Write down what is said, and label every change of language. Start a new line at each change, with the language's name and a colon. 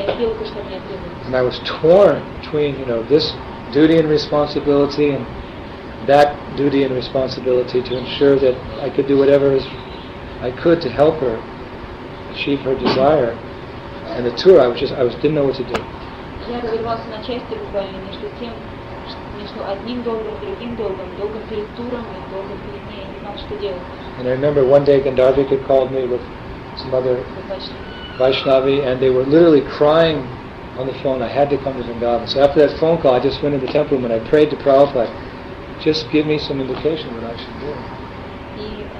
English: And I was torn between, you know, this duty and responsibility and that duty and responsibility to ensure that I could do whatever I could to help her achieve her desire. And the tour, I didn't know what to do.
Russian: Я разрывался на части буквально между тем, между одним долгом, другим долгом, долгом перед туром и долгом перед ней. Не знал, что делать.
English: And I remember one day Gandharvik had called me with some other Vaishnavi, and they were literally crying on the phone. I had to come to Vrindavan. So after that phone call, I just went into the temple room and I prayed to Prabhupada, just give me some indication what I should do.